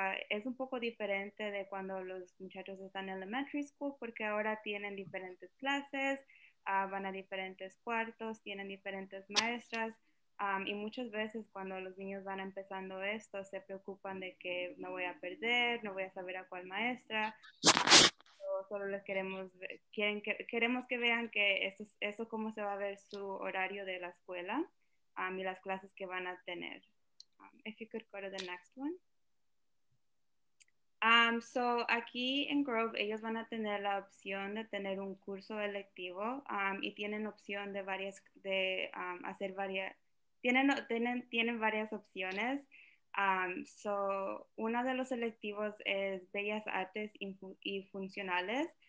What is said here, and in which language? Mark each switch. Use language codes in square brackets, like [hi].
[es] Es un poco diferente de cuando los muchachos están en elementary school, porque ahora tienen diferentes clases, van a diferentes cuartos, tienen diferentes maestras, y muchas veces cuando los niños van empezando esto, se preocupan de que me voy a perder, no voy a saber a cuál maestra. Solo les queremos que vean que eso cómo se va a ver su horario de la escuela, y las clases que van a tener. [en] If you could go to the next one. [es] So aquí en Grove ellos van a tener la opción de tener un curso electivo, y tienen opción de varias de hacer varias tienen varias opciones. So, uno de los selectivos es Bellas Artes y Funcionales.